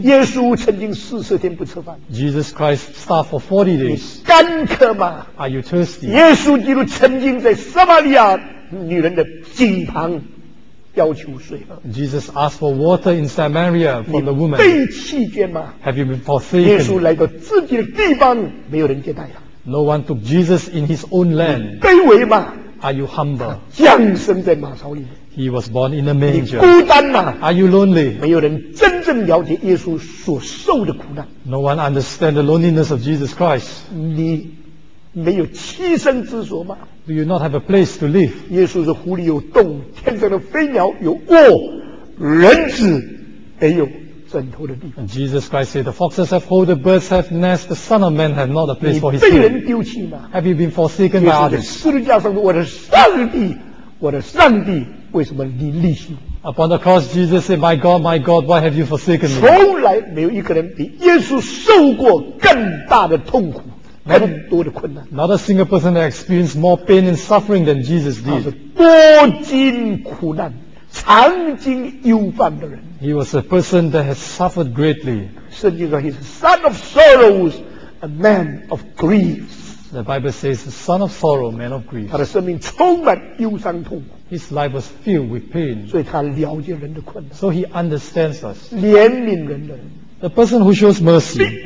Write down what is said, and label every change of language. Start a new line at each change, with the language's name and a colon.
Chinese: 耶稣曾经40天不吃饭。
English: Jesus Christ starved for 40 days.
Chinese: 你干渴吗？
English: Are you thirsty?
Chinese: 耶稣基督曾经在撒玛利亚女人的井旁。要求水喝。
English: Jesus asked for water in Samaria from the woman.
Chinese: 被弃捐吗
English: ？Have you been forsaken？
Chinese: 耶稣来到自己的地方，没有人接待他。
English: No one took Jesus in his own land.
Chinese: 卑微吗
English: ？Are you humble？
Chinese: 降生在马槽里。
English: He was born in a manger.
Chinese: 你孤单吗
English: ？Are you lonely？
Chinese: 没有人真正了解耶稣所受的苦难。
English: No one understand the loneliness of Jesus Christ.
Chinese: 你没有栖身之所吗？
English: Do you not have a place to live?
Chinese: 耶稣是狐狸有洞，天上的飞鸟有窝，人子没有枕头的地方。
English: And Jesus Christ said, the foxes have holes, the birds have nests, the son of man has not a place for his feet.
Chinese: 你被人丢弃吗？
English: Have you been forsaken by others?
Chinese: 十字架上说，我的上帝，我的上帝，为什么你离弃？
English: Upon the cross, Jesus said, my God, why have you forsaken me?
Chinese: 从来没有一个人比耶稣受过更大的痛苦。更多的困难。
English: Not a single person that experienced more pain and suffering than Jesus did.
Chinese: 他是多经苦难，常经忧患的人。
English: He was a person that has suffered greatly.
Chinese: 圣经说
English: ，He's a son of sorrows, a man of griefs. The Bible says, the son of sorrow, man of grief.
Chinese: 他的生命充满忧伤痛苦。
English: His life was filled with pain.
Chinese: 所以他了解人的困难。
English: So he understands us.
Chinese: 怜悯人的人。
English: The person who shows mercy.